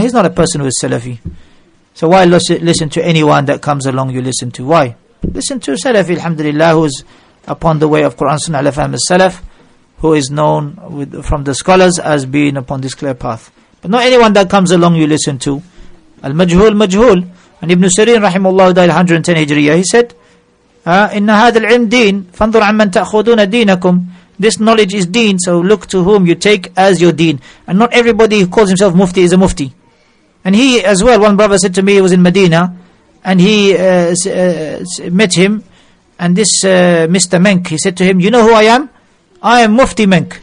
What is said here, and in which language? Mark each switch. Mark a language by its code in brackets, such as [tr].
[en] He's not a person who is Salafi. So why listen to anyone that comes along you listen to? Why? Listen to Salafi, alhamdulillah, who is upon the way of Quran, Sunnah, al-Fahm, al-Salaf, who is known from the scholars as being upon this clear path. But not anyone that comes along you listen to. Al-Majhul, Majhul. And Ibn Sirin, rahimahullah, died 110 Hijriya. He said, [ar] إِنَّ هَذَا الْعِلْمِ دِينَ فَانْظُرْ عَمَّنْ تَأْخُذُونَ دِينَكُمْ. [en] This knowledge is deen, so look to whom you take as your deen. And not everybody who calls himself Mufti is a Mufti. And he as well, one brother said to me, he was in Medina, and he met him, and this Mr. Menk, he said to him, you know who I am? I am Mufti Menk.